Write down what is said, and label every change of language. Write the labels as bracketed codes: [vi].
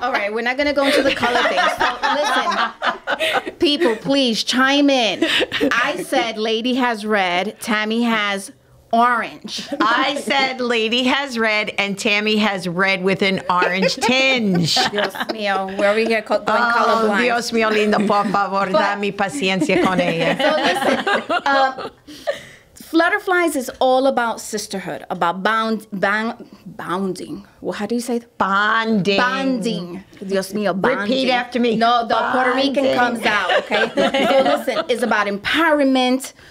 [en] All right, we're not going to go into the color thing. So listen, people, please chime in. I said lady has red, Tammy has orange. I said lady has red and Tammy has red with an orange tinge. [es] Dios mio, [en] where are we here going colorblind? [es] Dios mio lindo, por favor, dame paciencia con ella. [en] So listen, Flutterflies is all about sisterhood, about bounding. Well, how do you say that? Bonding. Bonding. [es] Dios mio, [en] bonding. Repeat after me. No, the bonding. Puerto Rican comes out, okay? So listen, it's about empowerment.